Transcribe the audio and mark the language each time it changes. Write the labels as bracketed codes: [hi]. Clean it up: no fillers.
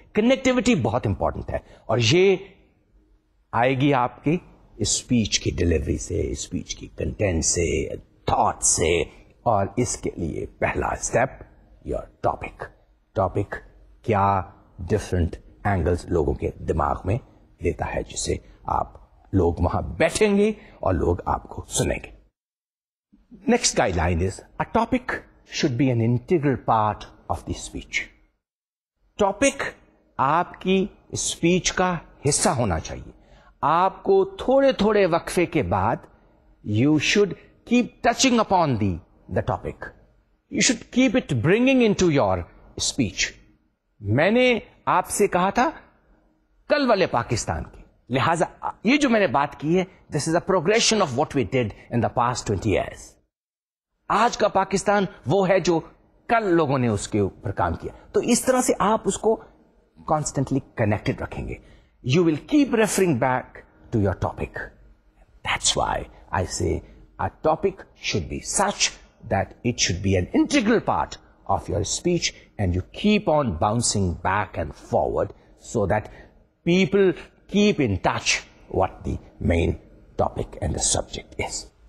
[ur] Connectivity بہت important ہے, اور یہ آئے گی آپ کی اسپیچ کی ڈلیوری سے, اسپیچ کی کنٹینٹ سے, تھاٹ سے. اور اس کے لیے پہلا اسٹیپ [en] Your topic. [ur] ٹاپک کیا ڈفرنٹ اینگلز لوگوں کے دماغ میں دیتا ہے, جسے آپ لوگ وہاں بیٹھیں گے اور لوگ آپ کو سنیں گے. [en] Next guideline is, a topic should be an integral part of the speech. [ur] Topic آپ کی اسپیچ کا حصہ ہونا چاہیے. آپ کو تھوڑے تھوڑے وقفے کے بعد [en] You should keep touching upon the topic, you should keep it bringing into your speech. [ur] میں نے آپ سے کہا تھا کل والے پاکستان کی, لہذا یہ جو میں نے بات کی ہے [en] This is a progression of what we did in the past 20 years. [ur] آج کا پاکستان وہ ہے جو کل لوگوں نے اس کے اوپر کام کیا, تو اس طرح سے آپ اس کو کانسٹنٹلی کنیکٹڈ رکھیں گے. [en] You will keep referring back to your topic. That's why I say a topic should be such that it should be an integral part of your speech, and you keep on bouncing back and forward so that people keep in touch what the main topic and the subject is.